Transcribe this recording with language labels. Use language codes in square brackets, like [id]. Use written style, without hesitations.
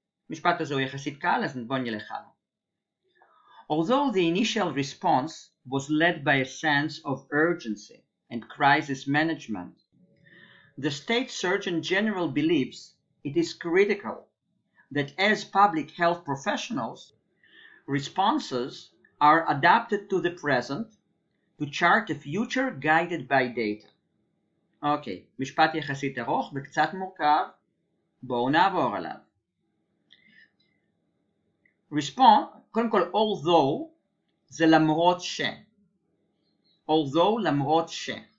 [he] משפט הזה הוא יחסית קל, אז בוא נלך עליו. [en] Although the initial response was led by a sense of urgency and crisis management, the state surgeon general believes it is critical that as public health professionals, responses are adapted to the present to chart a future guided by data. [he] אוקיי, משפט יחסית ארוך וקצת מורכב, בואו נעבור עליו. Respond, קודם כל, although זה למרות ש. Although למרות ש.